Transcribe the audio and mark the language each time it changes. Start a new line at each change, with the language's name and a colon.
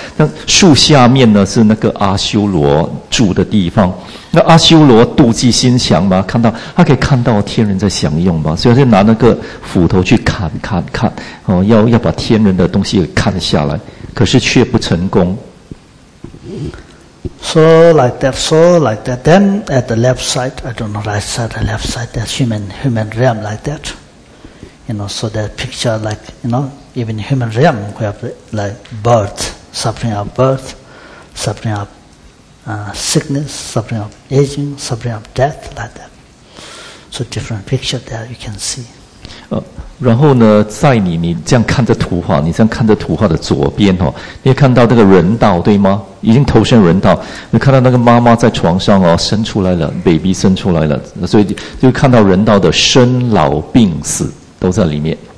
Chinese: 那树下面呢，是那个阿修罗住的地方。那阿修罗妒忌心强嘛，看到他可以看到天人在享用嘛，所以他就拿那个斧头去砍，要把天人的东西砍下来，可是却不成功。
English: So like that. Then at the left side, I don't know right side, the left side, that human realm like that. You know, so that picture like you know, even human realm we have like birth, suffering of. Sickness, suffering of aging, suffering of death, like that. So different picture there you can see.
Chinese: 然后呢，在你这样看着图画，你这样看着图画的左边哦，你看到那个人道对吗？已经投身人道，你看到那个妈妈在床上哦，生出来了 ，baby 生出来了，所以就看到人道的生老病死都在里面。